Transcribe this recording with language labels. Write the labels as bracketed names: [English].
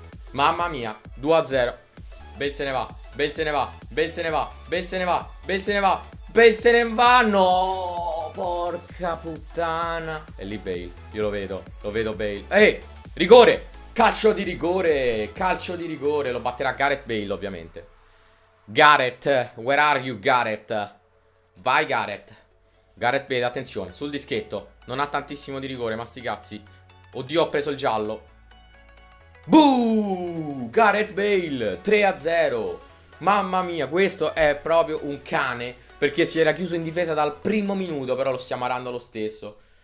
[Italian] Mamma mia, 2-0. Bale se ne va, Bale se ne va, Bale se ne va, Bale se ne va, Bale se ne va, Bale se ne va, no, porca puttana. E lì Bale, io lo vedo Bale. Ehi, rigore, calcio di rigore, calcio di rigore. Lo batterà Gareth Bale ovviamente. [English] Gareth, where are you Gareth? [Italian] Vai Gareth. Gareth Bale, attenzione, sul dischetto. Non ha tantissimo di rigore, ma sti cazzi. Oddio, ho preso il giallo. Buu! Gareth Bale, 3-0. Mamma mia, questo è proprio un cane. Perché si era chiuso in difesa dal primo minuto, però lo stiamo arando lo stesso.